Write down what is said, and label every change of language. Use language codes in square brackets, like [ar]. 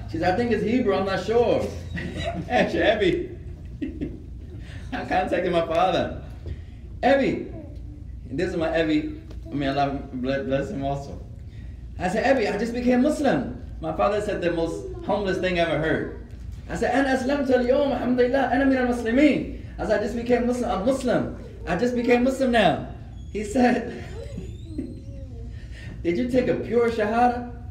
[en] She said, I think it's Hebrew, I'm not sure. Ask your Abby. I contacted my father. Abby, this is my Abby. I mean, Allah bless him also. I said, Abby, I just became Muslim. My father said the most humblest thing I ever heard. I said, [ar] أنا أسلمت اليوم الحمد لله أنا من المسلمين. [en] I said, I just became Muslim. I'm Muslim. I just became Muslim now. He said, did you take a pure shahada?